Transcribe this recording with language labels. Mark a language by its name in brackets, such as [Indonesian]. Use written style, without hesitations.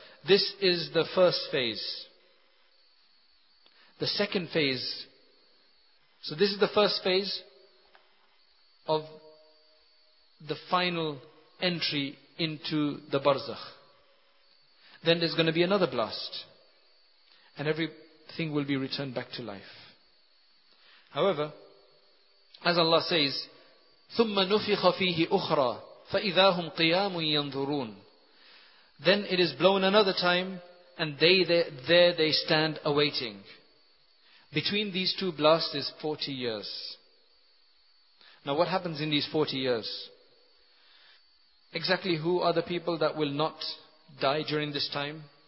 [English] This is the first phase. The second phase, so this is the first phase of the final entry into the barzakh. Then there's going to be another blast, and everything will be returned back to life. However, as Allah says, [Arabic] ثُمَّ نُفِخَ فِيهِ أُخْرَى فَإِذَا هُمْ قِيَامٌ يَنْظُرُونَ. [English] Then it is blown another time, and they stand awaiting. Between these two blasts is 40 years. Now what happens in these 40 years? Exactly who are the people that will not die during this time?